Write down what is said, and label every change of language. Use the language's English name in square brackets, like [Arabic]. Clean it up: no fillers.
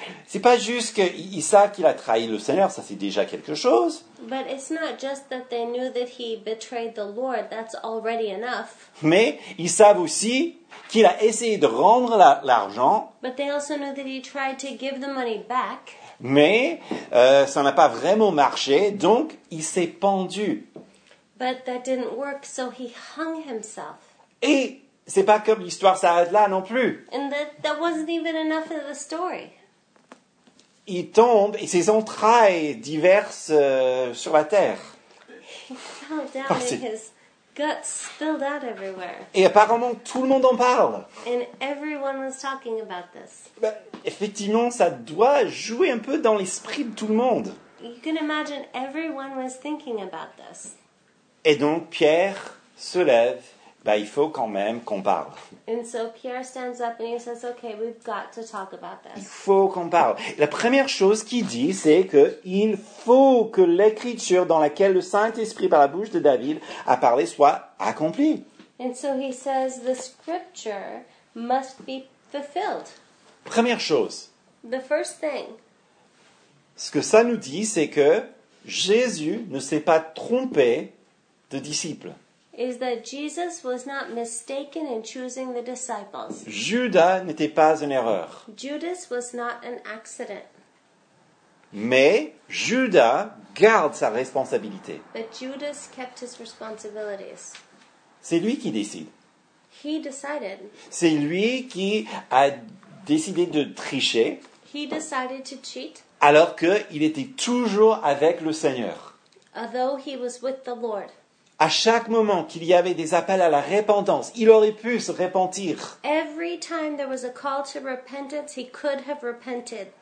[French] C'est pas juste qu'Isaac qu'il a trahi le Seigneur, ça c'est déjà quelque chose. [English] But it's not just that they knew that he betrayed the Lord, that's already enough. [French] Mais ils savent aussi qu'il a essayé de rendre l'argent. [English] But they also knew that he tried to give the money back. [French] Mais ça n'a pas vraiment marché, donc il s'est pendu. [English] But that didn't work, so he hung himself. [French] Et c'est pas comme l'histoire s'arrête là non plus. [English] And that wasn't even enough of the story. [French] Il tombe et ses entrailles diverses sur la terre. [English] He fell down and his guts spilled out everywhere. [French] Et apparemment tout le monde en parle. [English] And everyone was talking about this. [French] Bah, effectivement, ça doit jouer un peu dans l'esprit de tout le monde. [English] You can imagine everyone was thinking about this. [French] Et donc Pierre se lève, bah, il faut quand même qu'on parle. [English] And so Pierre stands up and he says, okay, we've got to talk about this. [French] Il faut qu'on parle. La première chose qu'il dit, c'est qu'il faut que l'écriture dans laquelle le Saint-Esprit par la bouche de David a parlé soit accomplie. [English] And so he says, the scripture must be fulfilled. [French] Première chose. [English] The first thing. [French] Ce que ça nous dit, c'est que Jésus ne s'est pas trompé de disciples. [English] Is that Jesus was not mistaken in choosing the disciples. [French] Judas n'était pas une erreur. [English] Judas was not an accident. [French] Mais Judas garde sa responsabilité. [English] But Judas kept his responsibilities. [French] C'est lui qui décide. [English] He decided. [French] C'est lui qui a décidé de tricher. [English] He decided to cheat. [French] Alors qu'il était toujours avec le Seigneur. [English] Although he was with the Lord. [French] À chaque moment qu'il y avait des appels à la repentance, il aurait pu se repentir. [English] Every time there was a call to repentance, he could have repented.